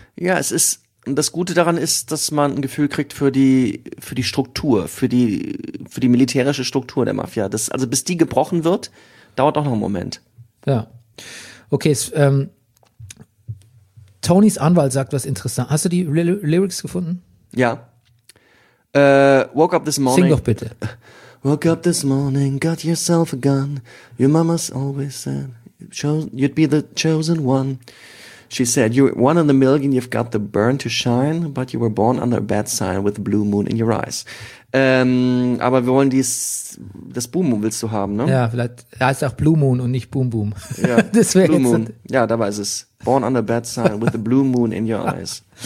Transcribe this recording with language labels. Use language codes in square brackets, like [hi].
[de] Ja, es ist, das Gute daran ist, dass man ein Gefühl kriegt für die Struktur, für die militärische Struktur der Mafia. Das, also bis die gebrochen wird, dauert auch noch einen Moment. Ja. Okay, Tonys Anwalt sagt was Interessantes. Hast du die Lyrics gefunden? [en] Ja. Woke up this morning. [de] Sing doch bitte. [en] Woke up this morning, got yourself a gun. Your mama's always said. You'd be the chosen one. She said, you're one in a million, you've got the burn to shine, but you were born under a bad sign with a blue moon in your eyes. [de] Aber wir wollen das Boom Boom willst du haben, ne? Ja, vielleicht heißt auch Blue Moon und nicht Boom Boom. Ja, das Blue jetzt Moon. Ja, da war es. [en] Born under a bad sign with a blue moon in your eyes.